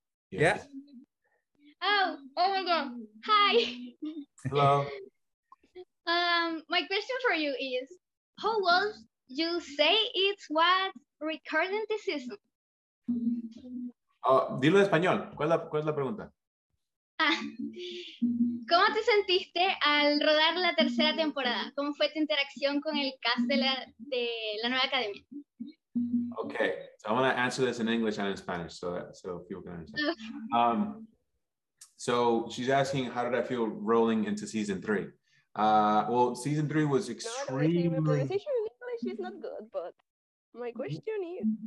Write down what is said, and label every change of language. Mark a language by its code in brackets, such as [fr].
[en] Yeah. Oh my God. Hi. Hello. My question for you is, how would you say it was recording this season? [es] Dilo en español. ¿Cuál es la pregunta? ¿Cómo te sentiste al rodar la tercera temporada? ¿Cómo fue tu interacción con el cast de la nueva academia? [en] Okay, so I want to answer this in English and in Spanish so people can understand. So she's asking, how did I feel rolling into season three? Well, season three was extremely... The conversation in English is not good, but my question is...